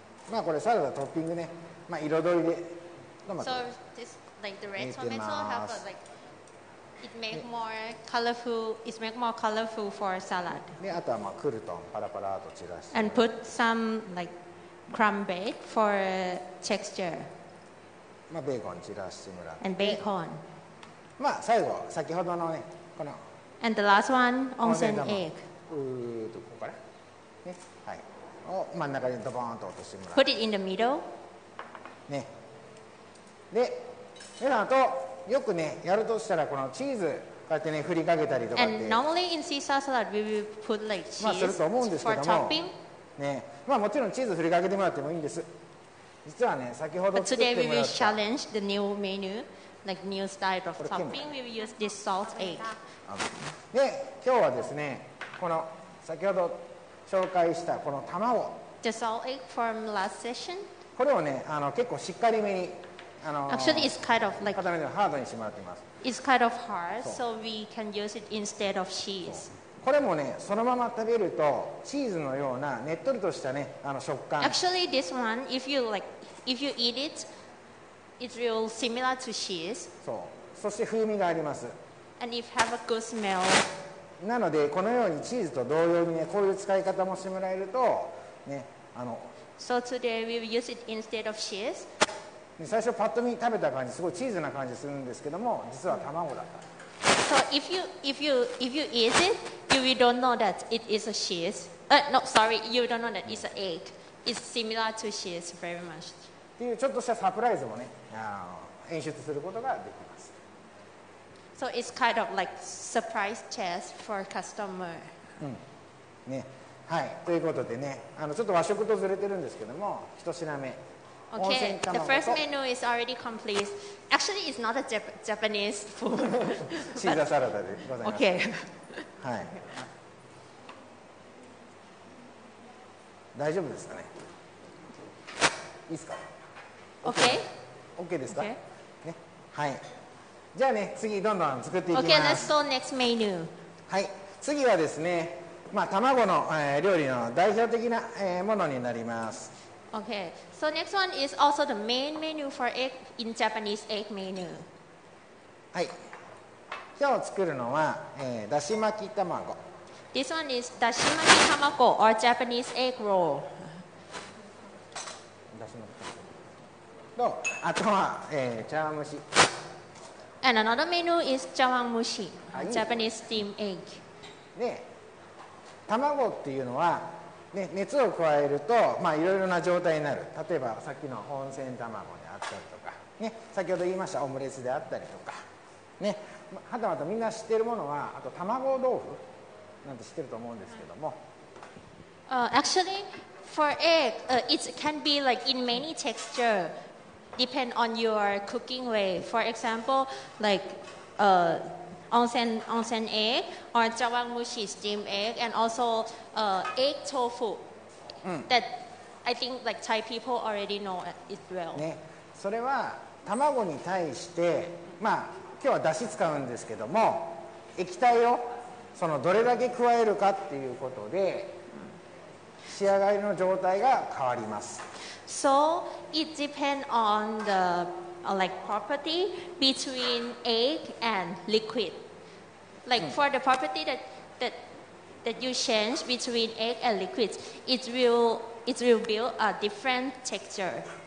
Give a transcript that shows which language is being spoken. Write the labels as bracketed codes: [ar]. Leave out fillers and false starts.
[ja] まあこれサラダトッピングね、まあ彩りで。 [en] So this like the red tomato have a, like it make more colorful. It make more colorful for salad. [ja] で、あとはまあクルトンパラパラと散らして。 [en] And put some like. Crumbed for texture. [ja] まあベーコン散らしてもらって。 [en] And bacon. [ja] まあ最後、先ほどのね、この。 [en] And the last one, onsen egg. [ja] どこから？ね、はい。を真ん中にドボーンと落としてもら [en] う。Put it in the middle. ね。 [ja] で、であとよくね、やるとしたらこのチーズ。こうやってね、振りかけたりとかって。 [en] And normally in Caesar salad, we will put like cheese. [ja] まあすると思うんですけども。 [en] For topping. [ja] ね、まあもちろんチーズ振りかけてもらってもいいんです。実はね、先ほど作ってもらった。 [en] But today we will challenge the new menu, like new style of topping. We will use this salt egg. [ja] で、今日はですね、この先ほど紹介したこの卵。 [en] The salt egg from last session. [ja] これをね、結構しっかりめに、 [en] Actually, it's kind of like [ja] 固めてハードにしてもらっています。 [en] It's kind of hard, so we can use it instead of cheese. [ja] これもね、そのまま食べるとチーズのようなねっとりとしたね、食感。 [en] Actually, this one, if you like, if you eat it, it's real similar to cheese. [ja] そう。そして風味があります。 [en] And it have a good smell. [ja] なのでこのようにチーズと同様にね、こういう使い方もしてもらえるとね、 [en] So today we will use it instead of cheese.、 [ja] ね、最初パッと見食べた感じすごいチーズな感じするんですけども、実は卵だった。 Mm-hmm. [en] So if you eat it, you will don't know that it is a cheese. No, sorry, you don't know that it's an egg. It's similar to cheese very much. [ja] っていうちょっとしたサプライズもね、演出することができます。 [en] So it's kind of like surprise test for customer. うん。ね、はい。 [ja] ということでね、ちょっと和食とずれてるんですけども、一品目。 [en] Okay, the first menu is already complete. Actually, it's not a Japanese food. Caesar salad, but... Okay. はい。 [ja] 大丈夫ですかね。いいですか。 [en] Okay. Okay [ja] ですか。ね、はい。じゃあね、次どんどん作っていきます。 [en] Okay, let's go next menu. はい。 [ja] 次はですね、まあ卵の、料理の代表的な、ものになります。 [en] Okay, so next one is also the main menu for egg in Japanese egg menu. はい。 [ja] 今日作るのは、だし巻き卵。 [en] This one is だし巻き卵 or Japanese egg roll. [ja] だし巻き卵。と、あとは、茶碗蒸し。 [en] And another menu is 茶碗蒸し、Japanese steam egg. [ja] ね、卵っていうのは、ね、熱を加えるといろいろな状態になる。例えばさっきの温泉卵であったりとか、ね、先ほど言いましたオムレツであったりとか、ね、はたまたみんな知ってるものはあと卵豆腐なんて知ってると思うんですけども、 [en] Actually, for egg, it can be like in many texture depend on your cooking way. For example, like onsen egg or jawang mushi steam egg and also egg tofu、うん、 that I think like Thai people already know it well、 [ja] ね、それは卵に対して、まあ、今日はだし使うんですけども液体をそのどれだけ加えるかっていうことで仕上がりの状態が変わります。 [en] So it depends on theLike property between egg and liquid. Like、うん、for the property that you change between egg and liquid, it will build a different texture.